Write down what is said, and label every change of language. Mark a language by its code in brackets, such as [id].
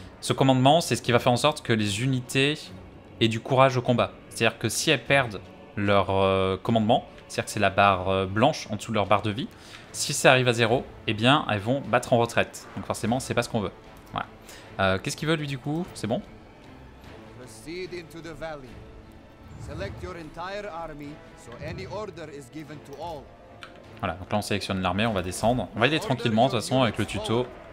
[fr] Ce commandement, c'est ce qui va faire en sorte que les unités aient du courage au combat. C'est-à-dire que si elles perdent leur commandement, c'est-à-dire que c'est la barre blanche en dessous de leur barre de vie, si ça arrive à zéro, eh bien, elles vont battre en retraite. Donc forcément, c'est pas ce qu'on veut. Voilà. Qu'est-ce qu'il veut, lui, du coup? C'est bon? [en] Proceed into the valley. Select your entire army, so any order is given to all. [fr] Voilà, donc là on sélectionne l'armée, on va descendre. On va y aller tranquillement de toute façon avec le tuto.